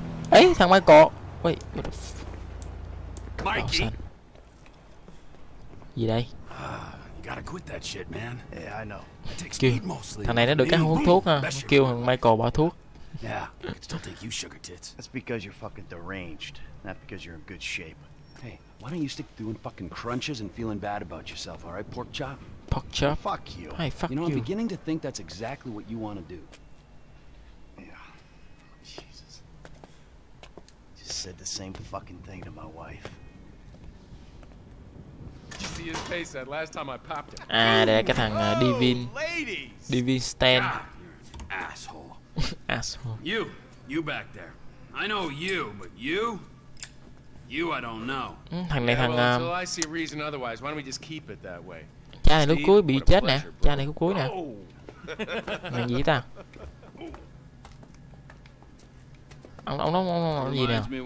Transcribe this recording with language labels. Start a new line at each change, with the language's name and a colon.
Vietnamese: Ê, thằng Michael.
English: Wait, Mikey.
Vietnamese: Gì đây?
English: Gotta quit that shit, man. Yeah, I know.
Vietnamese: Kêu. Thằng này nó được cái hút thuốc ha. Kêu thằng Michael bỏ thuốc.
English: Yeah, I can still take you, sugar tits. That's because you're fucking deranged, not because you're in good shape. Hey, why don't you stick doing fucking crunches and feeling bad about yourself, all right, pork chop? Pork chop? Fuck you. Hey, fuck you. You know, I'm beginning to think that's exactly what you want to do. Yeah. Jesus. Just said the same fucking thing to my wife. Did you see his face that last time I popped it?
Vietnamese: Ah, đây cái thằng Divin. Divin Stan.
English: Asshole. Asshole. You back there. I know you, but you I don't know.
Vietnamese: Thằng này thằng
English: until I see reason otherwise, why don't we just keep it that way?
Vietnamese: cha này lúc cuối bị chết nè, cha này lúc cuối nè. Mày gì ta? Ông gì nè?